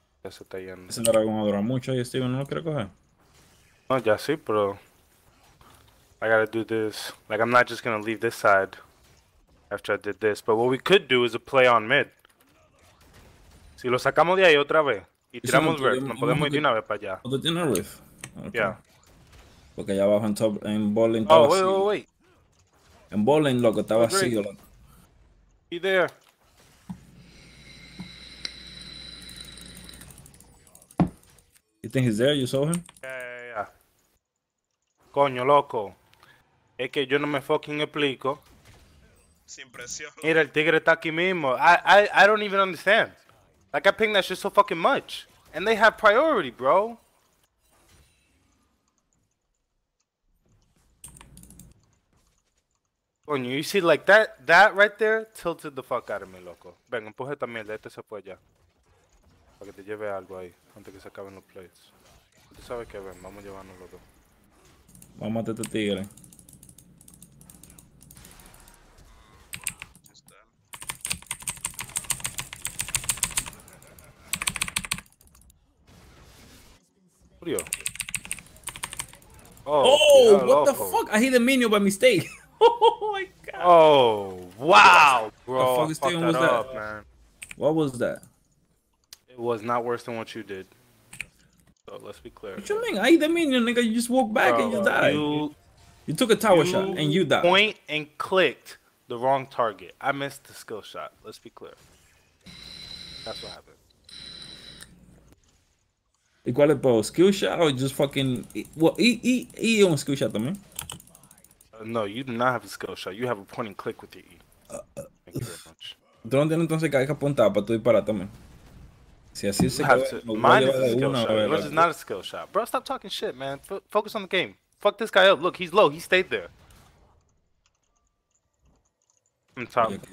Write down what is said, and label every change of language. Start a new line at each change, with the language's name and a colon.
Spanish: Se está yendo. Ese dragón va a durar mucho y Steven no lo quiere coger. No, ya sí, pero.
English: I gotta do this. Like, I'm not just gonna leave this side after I did this. But what we could do is a play on mid.
Spanish: Si lo sacamos de ahí otra vez y tiramos rift, nos podemos ir de una vez para allá. ¿Dónde tiene rift? Ya. Porque allá abajo en top, en bowling.
English: Oh, wait.
Spanish: En bowling, loco, está vacío.
English: Y there. You think he's there? You saw him?
Spanish: Yeah. Coño, loco. Es que yo no me fucking explico. Sin presión. Mira, el tigre está aquí mismo.
English: I don't even understand. Like, I ping that shit so fucking much. And they have priority, bro. Coño, you see, like, that right there tilted the fuck out of me, loco.
Spanish: Venga, empuje esta mierda, este se fue ya. Para que te lleve algo ahí, antes que se acaben los plates. Tú sabes que ven, vamos a llevarnos los dos. Vamos a matar a este tigre. Murió.
English: Oh, what the fuck? I hit a minion by mistake. Oh my god. Oh, wow, bro. What the fuck is that? Up, man. What was that? It was not worse than what you did. So let's be clear. What you mean? I hit the minion, nigga. You just walked back and you died. You took a tower shot and you died. Point and clicked the wrong target. I missed the skill shot. Let's be clear. That's what happened.
Spanish: Igual es por skill shot o just fucking. Well, E un skill shot también.
English: No, you do not have a skill shot. You have a point and click with your E.
Spanish: ¿Tú no tienes entonces que hay que apuntar para tú disparar también? Si así se
English: mine is a skill shot. Yours is not a skill shot. Bro, stop talking shit, man. Focus on the game. Fuck this guy up. Look, he's low. He stayed there. I'm top.